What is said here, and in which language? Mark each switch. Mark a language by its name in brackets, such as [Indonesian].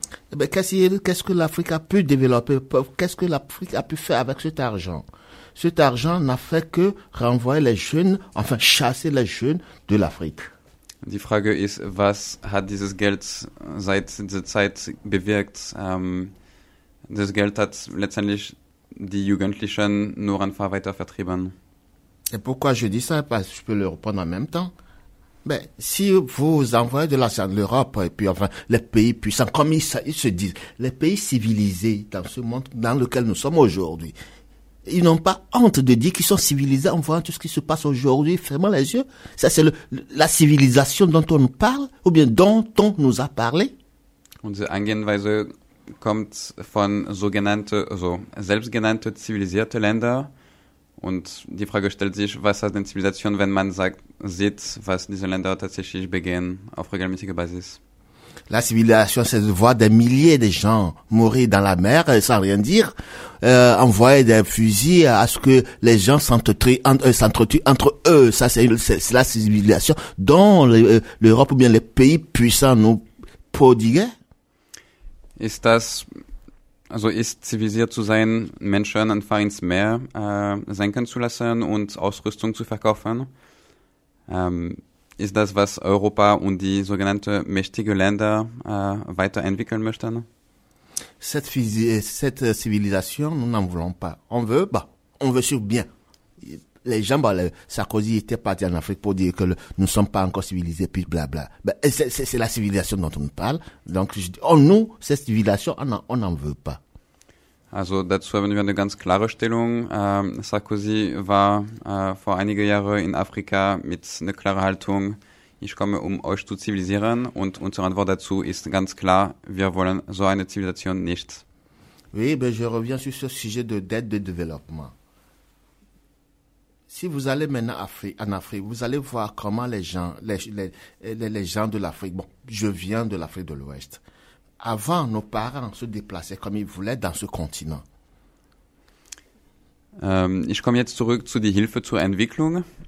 [French] Qu'est-ce que l'Afrique a pu développer? Qu'est-ce que l'Afrique a pu faire avec cet argent? Cet argent n'a fait que renvoyer les jeunes, enfin chasser les jeunes de l'Afrique. [German] Die Frage ist, was hat dieses Geld seit dieser Zeit bewirkt? Das Geld hat letztendlich die Jugendlichen nur einfach weiter vertrieben. [French] Et pourquoi je dis ça? Parce que je peux le répondre en même temps. Mais si vous envoyez de l'argent à l'Europe et puis enfin les pays puissants, comme ils se disent, les pays civilisés dans ce monde dans lequel nous sommes aujourd'hui, ils n'ont pas honte de dire qu'ils sont civilisés en voyant tout ce qui se passe aujourd'hui, fermant les yeux. Ça, c'est la civilisation dont on nous parle ou bien dont on nous a parlé. [German] Unsere Angehensweise kommt von selbstgenannte zivilisierte Länder. Und die Frage stellt sich, was hat denn Zivilisation, wenn man sieht, was diese Länder tatsächlich begehen auf regelmäßiger Basis? [French] La civilisation, c'est de voir des milliers de gens mourir dans la mer sans rien dire, envoyer des fusils à ce que les gens s'entretuent entre eux. Ça, c'est la civilisation dont l'Europe ou bien les pays puissants nous prodiguaient. [German] Ist das... Also ist zivilisiert zu sein, Menschen einfach ins Meer senken zu lassen und Ausrüstung zu verkaufen? Ist das, was Europa und die sogenannten mächtigen Länder weiterentwickeln möchten? [French] Cette civilisation, nous n'en voulons pas. On veut sûr bien. Les gens, Sarkozy était parti en Afrique pour dire que nous ne sommes pas encore civilisés, puis blabla. C'est la civilisation dont on parle. Donc, cette civilisation, on n'en veut pas. [German] Also, dazu haben wir eine ganz klare Stellung. Sarkozy war vor einigen Jahren in Afrika mit einer klaren Haltung. Ich komme, um euch zu zivilisieren. Und unsere Antwort dazu ist ganz klar, wir wollen so eine Zivilisation nicht. [French] Oui, je reviens sur ce sujet de dette de développement. Si vous allez maintenant en Afrique, vous allez voir comment les gens de l'Afrique, bon, je viens de l'Afrique de l'Ouest. Avant, nos parents se déplaçaient comme ils voulaient dans ce continent. [German] Ich komme jetzt zurück zu die Hilfe zur Entwicklung.